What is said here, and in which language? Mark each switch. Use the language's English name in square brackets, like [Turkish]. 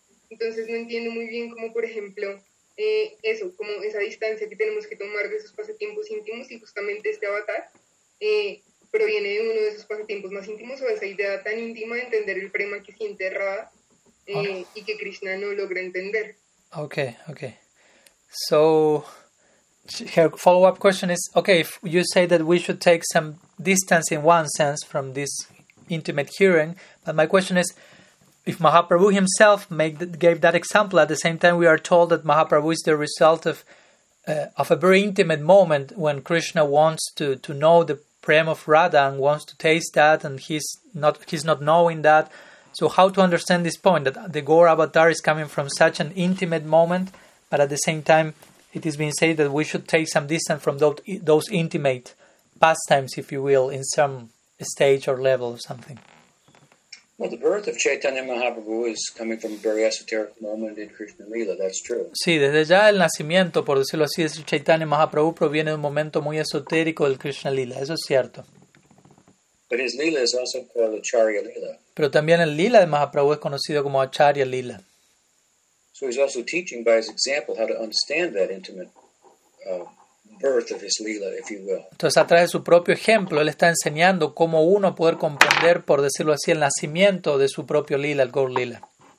[Spanish] Entonces no entiendo muy bien cómo, por ejemplo, eso, como esa distancia que tenemos que tomar de esos pasatiempos íntimos, y justamente este avatar proviene de uno de esos pasatiempos más íntimos, o de esa idea tan íntima de entender el prema que siente Radha y que Krishna no logra entender. [English] Okay. So, her follow-up question is, okay, if you say that we should take some distance in one sense from this intimate hearing, but my question is, if Mahaprabhu himself gave that example, at the same time we are told that Mahaprabhu is the result of a very intimate moment when Krishna wants to know the prema of Radha and wants to taste that, and he's not knowing that. So how to understand this point, that the Gaura avatar is coming from such an intimate moment, but at the same time it is being said that we should take some distance from those intimate pastimes, if you will, in some stage or level or something? Well, the birth of Chaitanya Mahaprabhu is coming from a very esoteric moment in Krishna Lila, that's true. [Spanish] Sí, desde ya el nacimiento, por decirlo así, de Chaitanya Mahaprabhu proviene de un momento muy esotérico del Krishna Lila, eso es cierto. [English] But his Lila is also called Acharya Lila. [Spanish] Pero también el Lila de Mahaprabhu es conocido como Acharya Lila. [English] So he's also teaching by his example how to understand that intimate birth of his Lila, if you will. [Spanish] Entonces, a través de su propio ejemplo, él está enseñando cómo uno poder comprender, por decirlo así, el nacimiento de su propio Lila, el Gaura Lila.